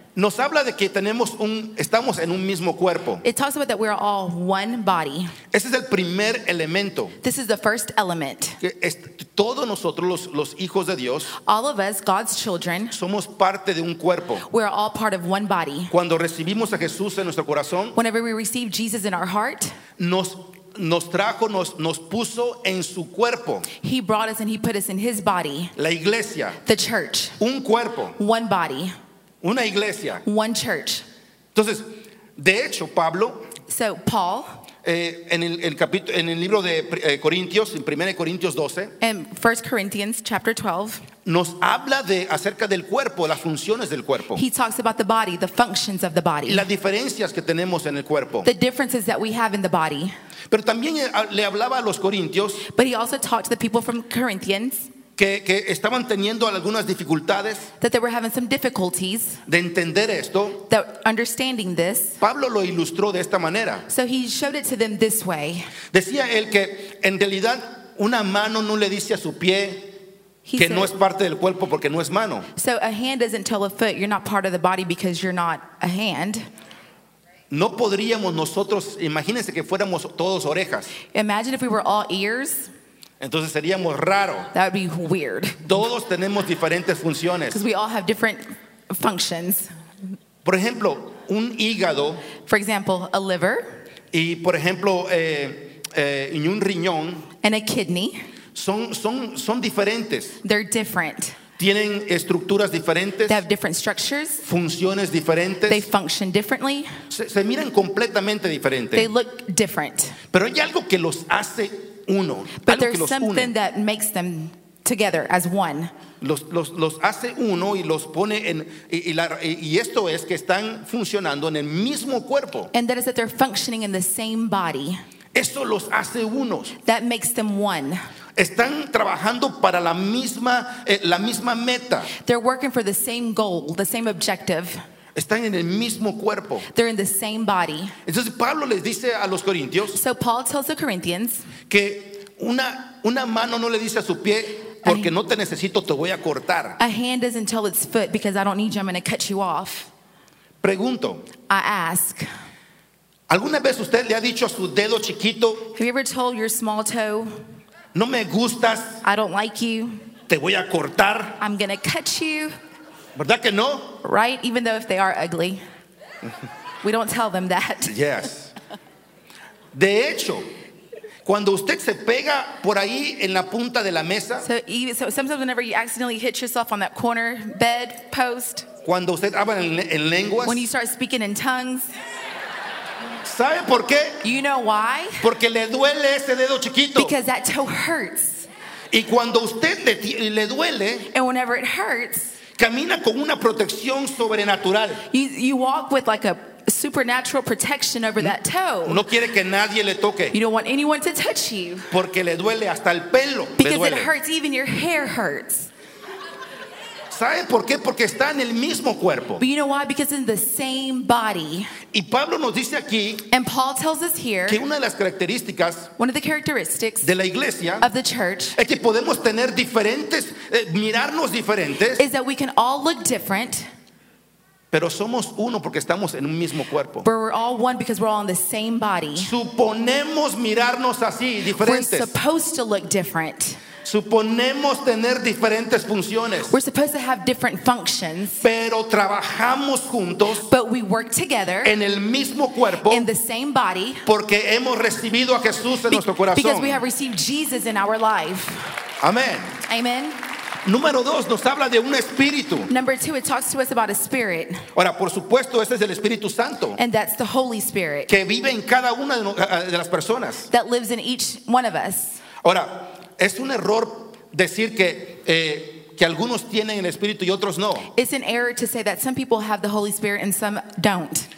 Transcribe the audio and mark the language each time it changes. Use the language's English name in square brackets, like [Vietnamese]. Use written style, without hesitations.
[Spanish] Nos habla de que tenemos un, estamos en un mismo cuerpo. [English] It talks about that we are all one body. [Spanish] Ese es el primer elemento. [English] This is the first element. [Spanish] Todos nosotros, los hijos de Dios, [English] all of us, God's children, [Spanish] somos parte de un cuerpo. [English] We are all part of one body. [Spanish] Cuando recibimos a Jesús en nuestro corazón, [English] whenever we receive Jesus in our heart, [Spanish] nos trajo, nos puso en su cuerpo. [English] He brought us and he put us in his body. [Spanish] La iglesia. [English] The church. [Spanish] Un cuerpo. [English] One body. [Spanish] Una iglesia. [English] One church. [Spanish] Entonces, de hecho, Pablo. [English] So, Paul. [Spanish] En el libro de Corintios, en 1 Corintios 12. [English] And 1 Corinthians chapter 12. [Spanish] Nos habla de acerca del cuerpo, las funciones del cuerpo. [English] He talks about the body, the functions of the body. [Spanish] Las diferencias que tenemos en el cuerpo. [English] The differences that we have in the body. [Spanish] Pero también le hablaba a los corintios. [English] But he also talked to the people from Corinthians. [Spanish] Que estaban teniendo algunas dificultades, [English] that they were having some difficulties, [Spanish] de entender esto, [English] that understanding this. [Spanish] Pablo lo ilustró de esta manera. [English] So he showed it to them this way. [Spanish] Decía él que en realidad una mano no le dice a su pie que no es parte del cuerpo porque no es mano. [English] So a hand doesn't tell a foot you're not part of the body because you're not a hand. [Spanish] No podríamos nosotros, imagínense que fuéramos todos orejas. [English] Imagine if we were all ears. [Spanish] Entonces seríamos raro. [English] That would be weird. [Spanish] Todos tenemos diferentes funciones. [English] Because we all have different functions. [Spanish] Por ejemplo, un hígado. [English] For example, a liver. [Spanish] Y por ejemplo, y un riñón. [English] And a kidney. [Spanish] Son diferentes. [English] They're different. [Spanish] Tienen estructuras diferentes. [English] They have different structures. [Spanish] Funciones diferentes. [English] They function differently. [Spanish] Se miran completamente diferentes. [English] They look different. [Spanish] Pero hay algo que los hace uno, [English] but there's something that makes them together as one. [Spanish] Los hace uno y los pone en y esto es que están funcionando en el mismo cuerpo. [English] And that is that they're functioning in the same body. [Spanish] Eso los hace unos. [English] That makes them one. [Spanish] Están trabajando para la misma meta. [English] They're working for the same goal, the same objective. [Spanish] Están en el mismo cuerpo. [English] They're in the same body. [Spanish] Entonces Pablo les dice a los corintios. [English] So Paul tells the Corinthians. [Spanish] Que una mano no le dice a su pie porque no te necesito, te voy a cortar. [English] A hand doesn't tell its foot because I don't need you, I'm going to cut you off. [Spanish] Pregunto. [English] I ask. [Spanish] ¿Alguna vez usted le ha dicho a su dedo chiquito? [English] Have you ever told your small toe? [Spanish] No me gustas. [English] I don't like you. [Spanish] Te voy a cortar. [English] I'm going to cut you. [Spanish] ¿Verdad que no? [English] Right, even though if they are ugly. We don't tell them that. Yes. [Spanish] De hecho, cuando usted se pega por ahí en la punta de la mesa. [English] So sometimes whenever you accidentally hit yourself on that corner bed post. [Spanish] Cuando usted habla en lenguas. [English] When you start speaking in tongues. [Spanish] ¿Sabe por qué? [English] You know why? [Spanish] Porque le duele ese dedo chiquito. [English] Because that toe hurts. [Spanish] Y cuando usted le duele. [English] And whenever it hurts. [Spanish] Camina con una protección sobrenatural. [English] You walk with like a supernatural protection over that toe. [Spanish] No quiere que nadie le toque. [English] You don't want anyone to touch you. [Spanish] Porque le duele hasta el pelo. [English] Because [Spanish] le duele. [English] It hurts, even your hair hurts. [Spanish] ¿Sabe por qué? Porque está en el mismo cuerpo. [English] But you know why? Because it's in the same body. [Spanish] Y Pablo nos dice aquí. [English] And Paul tells us here. [Spanish] Que una de las características. [English] One of the characteristics. [Spanish] De la iglesia. [English] Of the church. [Spanish] Es que podemos tener diferentes, mirarnos diferentes. [English] Is that we can all look different. [Spanish] Pero somos uno porque estamos en un mismo cuerpo. [English] But we're all one because we're all in the same body. [Spanish] Suponemos mirarnos así, diferentes. [English] We're supposed to look different. [Spanish] Suponemos tener diferentes funciones. [English] We're supposed to have different functions. [Spanish] Pero trabajamos juntos. [English] But we work together. [Spanish] En el mismo cuerpo. [English] In the same body. [Spanish] Porque hemos recibido a Jesús en nuestro corazón. [English] Because we have received Jesus in our life. Amen. Amen. [Spanish] Número dos, nos habla de un espíritu. [English] Number two, it talks to us about a spirit. [Spanish] Ahora, por supuesto, ese es el Espíritu Santo. [English] And that's the Holy Spirit. [Spanish] Que vive en cada una de las personas. [English] That lives in each one of us. [Spanish] Ahora, es un error decir que algunos tienen el Espíritu y otros no. [English] It's an error to say that some people have the Holy Spirit and some don't.